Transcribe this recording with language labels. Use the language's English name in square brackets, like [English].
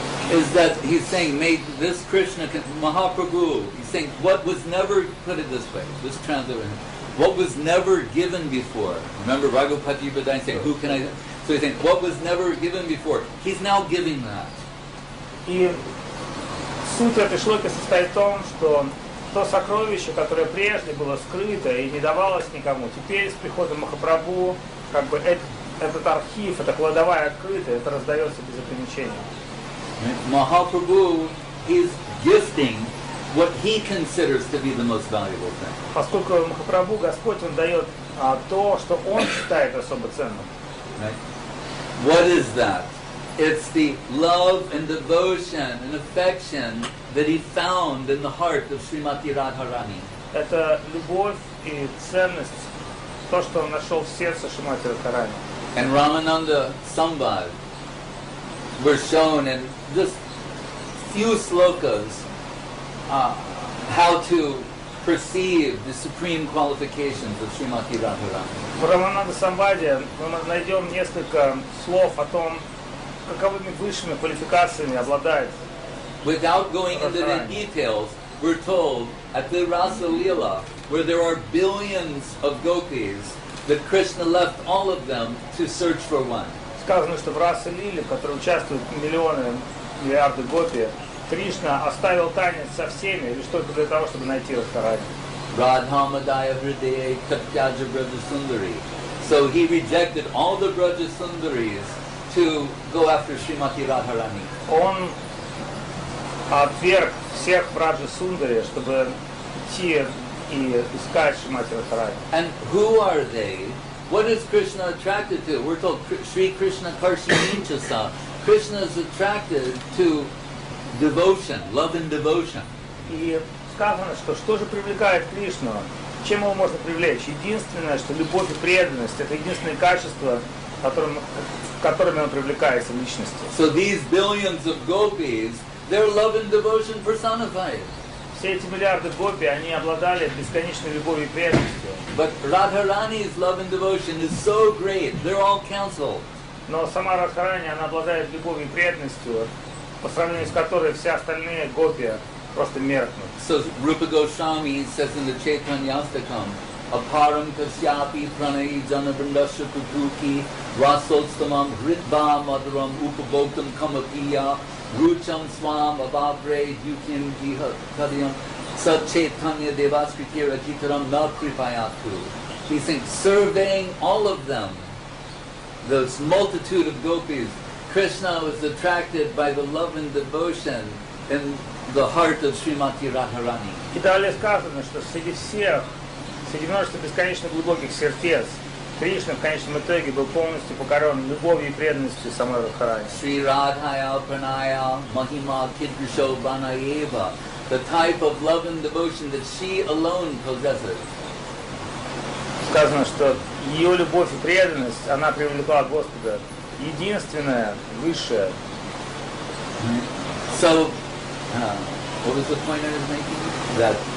[English] is that he's saying, may this Krishna, Mahaprabhu, he's saying, what was never, put it this way, this translation, what was never given before, remember Raghupati Yubadai saying, who can I, so he's saying, what was never given before, he's now giving that. [Russian] And суть этой шлоки состоит в том, что то сокровище, которое прежде было скрыто и не давалось никому, теперь с приходом Махапрабху, как бы этот архив, эта кладовая открыта, это раздается без ограничений. [English] Mahaprabhu is gifting what he considers to be the most valuable thing. [Russian] Поскольку Махапрабху, Господь, он дает то, что он считает особо ценным. [English] What is that? It's the love and devotion and affection that he found in the heart of Srimati Radharani. [Russian] Это любовь и ценность, то, что он нашел в сердце Шримати Радхарани. [English] And Ramananda Sambhad were shown in just few slokas how to perceive the supreme qualifications of Srimati Radharani. [Russian] В Рамананда Самбаде мы найдем несколько слов о том, каковыми высшими квалификациями обладает. [English] Without going into the details, we're told at the Rasa Lila, where there are billions of gopis, that Krishna left all of them to search for one. [Russian] Сказано, что в Раса Лиле, в которой участвуют миллионы, миллиарды гопи, Кришна оставил танец со всеми, лишь только для того, чтобы найти Радхарани. [Sanskrit] Radha Madaya Hridaye Katyaja Braja Sundari. [English] So he rejected all the Braja Sundaris to go after Srimati Radharani. [Russian] Он отверг всех Браджа Сундари, чтобы идти и искать Шримати Радхарани. [English] And who are they? What is Krishna attracted to? We're told Sri Krishna Karshaninchasa. Krishna is attracted to devotion, love and devotion. [Russian] И сказано, что же привлекает Кришну? Чем его можно привлечь? Единственное, что любовь и преданность — это единственное качество, которыми он привлекается в личности. [English] So these billions of gopis, their love and devotion personified. [Russian] Все эти миллиарды гопи, они обладали бесконечной любовью и преданностью. [English] But Radharani's love and devotion is so great, they're all cancelled. [Russian] Но сама Радхарани, она обладает любовью и преданностью, по сравнению с которой все остальные гопи просто меркнут. [English] So Rupa Goswami says in the Chaitanya Astakam, [Sanskrit] Aparam kasyapi pranayi janabrindasya kukuki rasotstamam hritva madaram upabhoktam kamapiya rucham swam abhavre yukim giha kadiyam sachetanya devaskritir ajitaram na kripayatu. [English] He thinks, surveying all of them, this multitude of gopis, Krishna was attracted by the love and devotion in the heart of Srimati Radharani. [Russian] Далее сказано, что среди всех, среди множества бесконечно глубоких сердец, Кришна в конечном итоге был полностью покорен любовью и преданностью самой Радхарани. [Sanskrit] Sri Radhaya Pranaya Mahima Kidrisho Banayeva, [English] the type of love and devotion that she alone possesses. [Russian] Сказано, что ее любовь и преданность, она привлекла Господа, единственная, высшая. [English] So, what was the point I was making? That